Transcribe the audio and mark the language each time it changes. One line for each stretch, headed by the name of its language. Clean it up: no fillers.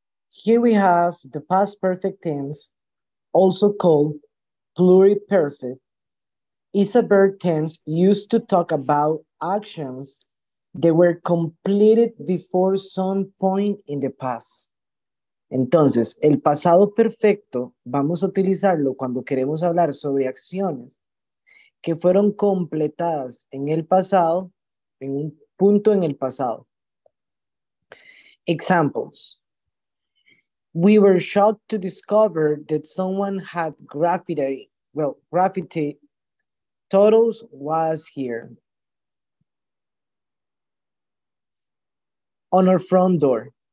English: Here we have the past perfect tense, also called pluriperfect, is a verb tense used to talk about actions that were completed before some point in the past.
Spanish: Entonces, el pasado perfecto vamos a utilizarlo cuando queremos hablar sobre acciones que fueron completadas en el pasado, en un punto en el pasado.
English: Examples. We were shocked to discover that someone had graffiti totals was here on our front door.